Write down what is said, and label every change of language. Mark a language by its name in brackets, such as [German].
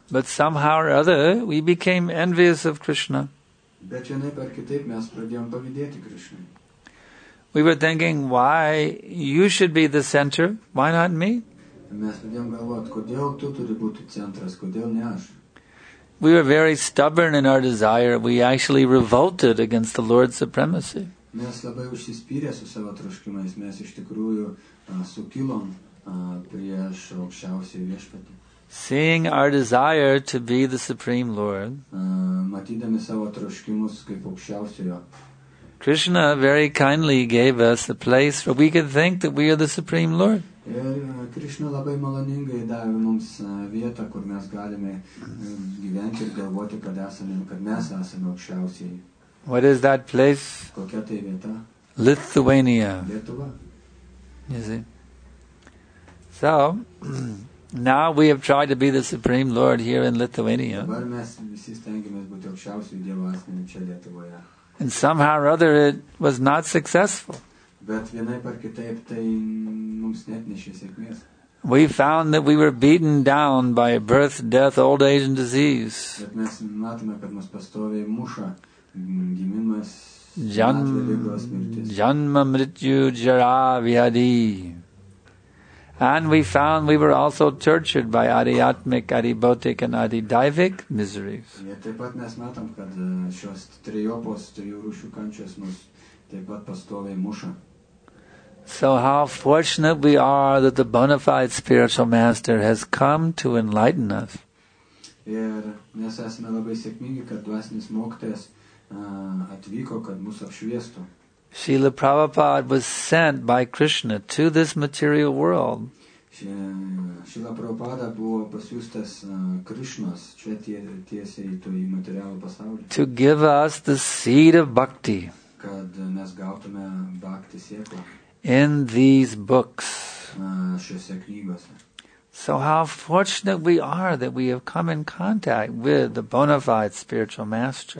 [English] But somehow or other, we became envious of Krishna. [Lithuanian] Bet vienaip ar kitaip mes pradėjom pavydėti Krishnai. [English] We were thinking, why you should be the center, why not me? [Lithuanian] Mes pradėjom galvoti, kodėl tu turi būti centras, kodėl ne aš? [English] We were very stubborn in our desire. We actually revolted against the Lord's supremacy. [Lithuanian] Mes labai užsispyrė su savo troškimais. Mes iš tikrųjų sukilom prieš aukščiausią viešpatį. [English] Seeing our desire to be the Supreme Lord, [Lithuanian] matydami savo troškimus kaip aukščiausiojo, [English] Krishna very kindly gave us a place where we could think that we are the Supreme Lord. [Lithuanian] Ir Krishna labai maloningai davė mums vietą, kur mes galime gyventi ir galvoti, kad mes esame aukščiausiai. [English] What is that place? [Lithuanian] Kokia tai vieta? [English] Lithuania. [Lithuanian] Lietuva. [English] You see? So, now we have tried to be the Supreme Lord here in Lithuania. [Lithuanian] Dabar mes visi stengiamės būti aukščiausiai Dievo asmeniu čia Lietuvoje. [English] And somehow or other it was not successful. [Lithuanian] Bet vienaip ar kitaip tai mums netnešė sėkmės. [English] We found that we were beaten down by birth, death, old age and disease. [Lithuanian] Bet mes matome, kad mus pastoviai muša gimimas, [Sanskrit] janma, mrityu, jara, vyadi. [English] And we found we were also tortured by adiatmik, adibhautik, and adidaivik miseries. [Lithuanian] Taip pat mes matom, kad šios trijopos, trijų rūšių kančios mus taip pat pastoviai muša. [English] So how fortunate we are that the bona fide spiritual master has come to enlighten us. [Lithuanian] Ir mes esame labai sėkmingi, kad dvasinis mokytojas atvyko, kad mus apšviestų. [English] Srila Prabhupada was sent by Krishna to this material world. [Lithuanian] Srila Prabhupada buvo pasiųstas Krishnas čia tiesiai į materialų pasaulį. [English] To give us the seed of bhakti. [Lithuanian] Kad mes gautume bhakti sėklą. [English] In these books. [Lithuanian] Šiuose knygose. [English] So how fortunate we are that we have come in contact with the bona fide spiritual master.